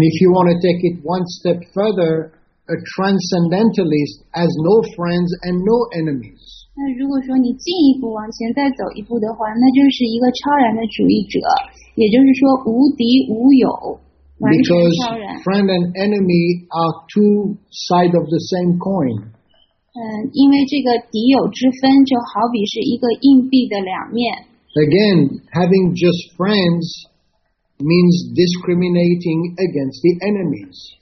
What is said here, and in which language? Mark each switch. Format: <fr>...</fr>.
<en>if you want to take it one step further, a transcendentalist has no friends and no enemies.</en> <zh>那如果说你进一步往前再走一步的话，那就是一个超然的主义者，也就是说无敌无友，完全超然。 Because</zh> <en>friend and enemy are two sides of the same coin.</en> <zh>因为这个敌友之分就好比是一个硬币的两面。 Again,</zh> <en>having just friends means discriminating against the enemies.</en>